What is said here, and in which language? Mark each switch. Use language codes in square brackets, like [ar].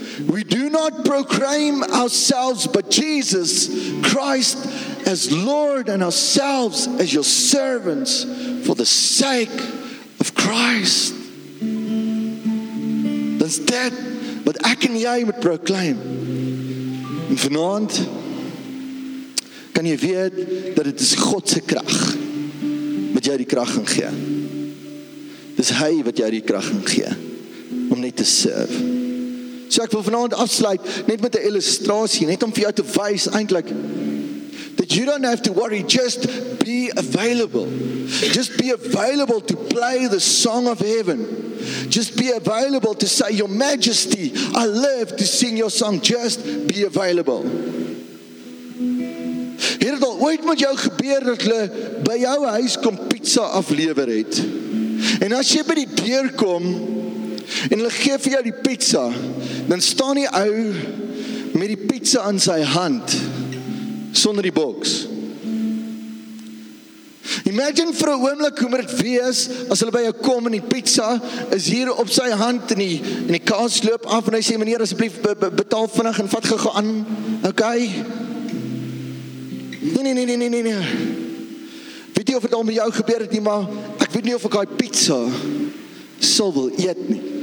[en] We do not proclaim ourselves but Jesus Christ as Lord and ourselves as your servants for the sake of Christ. [af] Dis dit wat ek en jy moet proclaim. En vanaand kan jy weet dat dit is God se krag wat jou die krag gaan gee. Dis hy wat jou die krag gaan gee om net te serve. So ek wil vanavond afsluit, net met 'n illustrasie, net om vir jou te wys, eintlik, [en] that you don't have to worry, just be available. Just be available to play the song of heaven. Just be available to say, your majesty, I live to sing your song. Just be available. [af] Het al ooit met jou gebeur dat hulle by jou huis kom pizza aflewer het? En as jy by die deur kom, en hulle gee vir jou die pizza, dan staan die ou met die pizza in sy hand, sonder die boks. Imagine vir 'n oomblik hoe moet dit wees, as hulle by jou kom en die pizza is hier op sy hand, en die kaas loop af, en hy sê, meneer, asseblief, betaal vinnig en vat gou aan, okay? Nee. Weet nie of het al met jou gebeur het nie, maar ek weet nie of ek hy pizza sal wil eet nie.